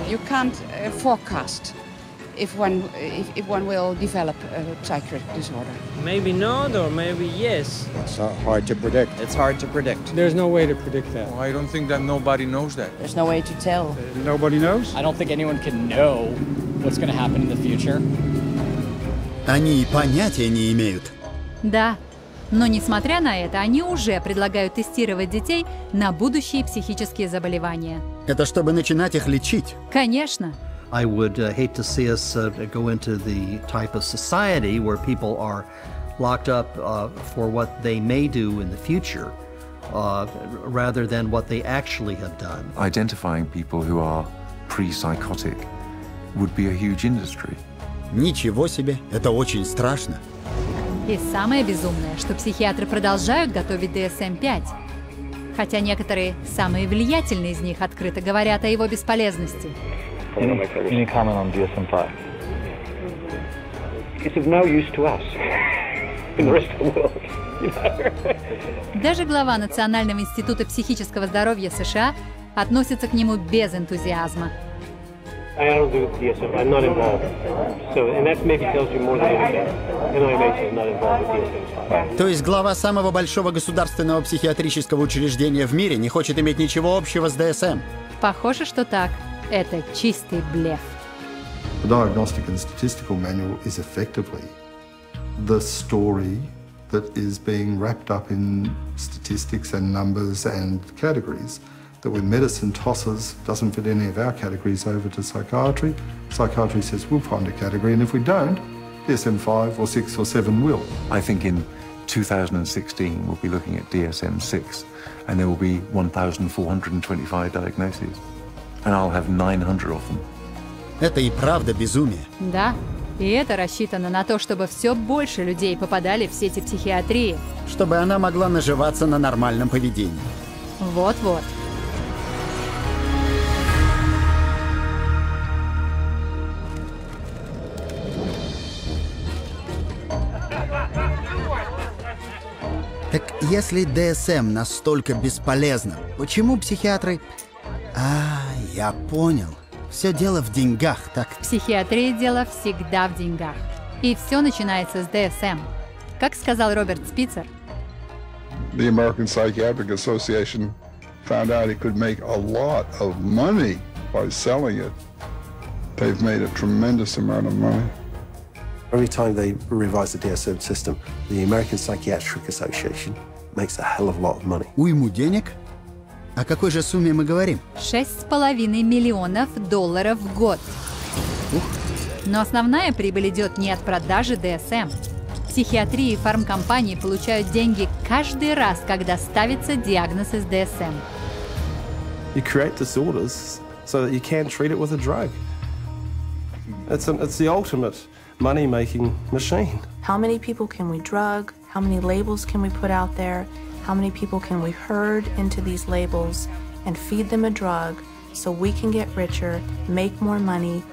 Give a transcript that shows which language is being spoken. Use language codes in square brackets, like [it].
[en] You can't forecast if one will develop a psychiatric disorder. Maybe not, or maybe yes. It's hard to predict. It's hard to predict. There's no way to predict that. Well, I don't think that nobody knows that. There's no way to tell. Nobody knows? I don't think anyone can know what's going to happen in the future. [ru] Они понятия не имеют. Да. Но, несмотря на это, они уже предлагают тестировать детей на будущие психические заболевания. Это чтобы начинать их лечить. Конечно. [en] I would hate to see us go into the type of society where people are locked up for what they may do in the future rather than what they actually have done. Identifying people who are pre-psychotic would be a huge industry. [ru] Ничего себе, это очень страшно. И самое безумное, что психиатры продолжают готовить DSM-5. Хотя некоторые, самые влиятельные из них, открыто говорят о его бесполезности. [en] Any comment on DSM-5? It's of no use to us in the rest of the world. You know? [ru] Даже глава Национального института психического здоровья США относится к нему без энтузиазма. [en] I don't do DSM, I'm not involved. So, and that maybe tells you more than anything. NIMH is not involved with DSM-5. [ru] То есть глава самого большого государственного психиатрического учреждения в мире не хочет иметь ничего общего с DSM? Похоже, что так. Это чистый блеф. [en] The Diagnostic and Statistical Manual is effectively the story that is being wrapped up in statistics and numbers and categories. That when medicine tosses, doesn't fit any of our categories over to psychiatry, psychiatry says we'll find a category, and if we don't, DSM-5 or 6 or 7 will. I think in 2016 we'll be looking at DSM-6, and there will be 1,425 diagnoses, and I'll have 900 of them. [ru] Это и правда безумие. Да, и это рассчитано на то, чтобы все больше людей попадали в сети психиатрии. Чтобы она могла наживаться на нормальном поведении. Вот-вот. Так если DSM настолько бесполезна, почему психиатры... А, я понял. Все дело в деньгах, так? В психиатрии дело всегда в деньгах. И все начинается с DSM. Как сказал Роберт Спицер? [en] The American Psychiatric Association found out it could make a lot of money by selling it. They've made a tremendous amount of money. Every time they revise the DSM system, the American Psychiatric Association makes a hell of a lot of money. [ru] Уйму денег? О какой же сумме мы говорим? 6,5 миллионов долларов в год. Но основная прибыль идет не от продажи DSM. Психиатрии и фармкомпании получают деньги каждый раз, когда ставится диагноз из DSM. [en] You create disorders so that you can treat it with a drug. It's the ultimate money-making machine. How many people can we drug? How many labels can we put out there? How many people can we herd into these labels and feed them a drug so we can get richer, make more money?